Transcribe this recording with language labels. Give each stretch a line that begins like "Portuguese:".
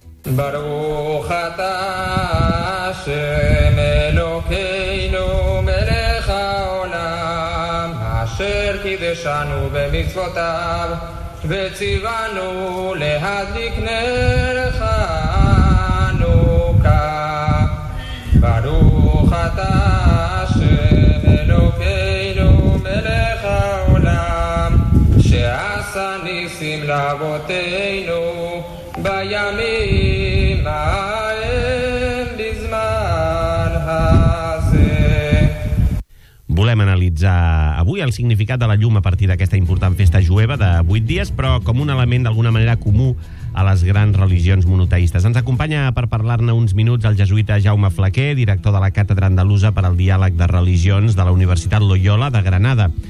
Hebrew: Baruch ata Hashem Elokeinu melech haolam asher kideshanu b'mitzvotav וציוונו להדליק נר חנוכה. ברוך אתה השם אלוקינו מלך העולם שעשה ניסים לאבותינו בימים ההם בזמן הזה.
Catalan: Volem analitzar avui el significat de la llum a partir d'aquesta important festa jueva de 8 dies, però com un element d'alguna manera comú a les grans religions monoteístes. Ens acompanya per parlar-ne uns minuts el jesuïta Jaume Flaquer, director de la Càtedra Andalusa per al Diàleg de Religions de la Universitat Loyola de Granada.